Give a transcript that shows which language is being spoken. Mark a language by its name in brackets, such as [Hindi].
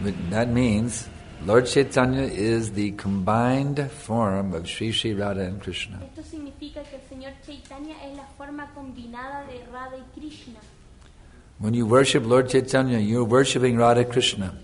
[English] That means Lord Chaitanya is the combined form of Sri Sri Radha and Krishna. [Spanish] Esto significa que el Señor Chaitanya es la forma combinada de Radha y Krishna. [English] When you worship Lord Chaitanya, you're worshiping Radha Krishna.